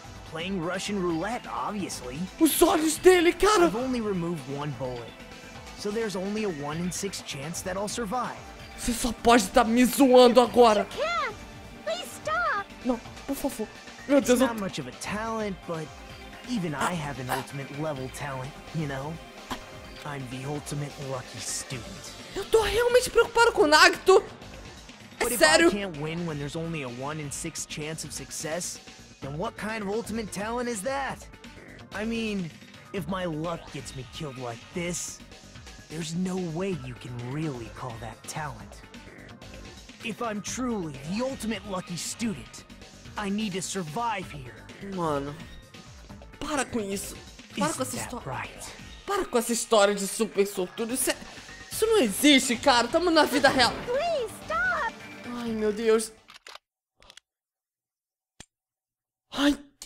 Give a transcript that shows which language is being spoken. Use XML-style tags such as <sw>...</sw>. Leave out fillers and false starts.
<en>Playing Russian roulette, obviously.</en> <pt>Os olhos dele, cara.</pt> <en>I've only removed one bullet. So there's only a 1 in 6 chance that I'll survive.</en> <pt>Você só pode estar me zoando agora.</pt> <en>Can't. Please stop.</en> <pt>Não, por favor. Meu Deus,</pt> <en>it's not much of a talent, but even I have an ultimate level talent, you know? I'm the ultimate lucky student.</en> <pt>Eu tô realmente preocupado com o Nagito.</pt> <en>But</en> <pt>sério?</pt> <en>If I can't win when there's only a 1 in 6 chance of success, then what kind of ultimate talent is that? I mean, if my luck gets me killed like this, there's no way you can really call that talent. If I'm truly the ultimate lucky student, I need to survive here.</en> <pt>Mano. Para com isso. Para com essa história. Para com essa história de super sortudo. Isso não existe, cara. Tamo na vida real. Ai, meu Deus. Ai.</pt>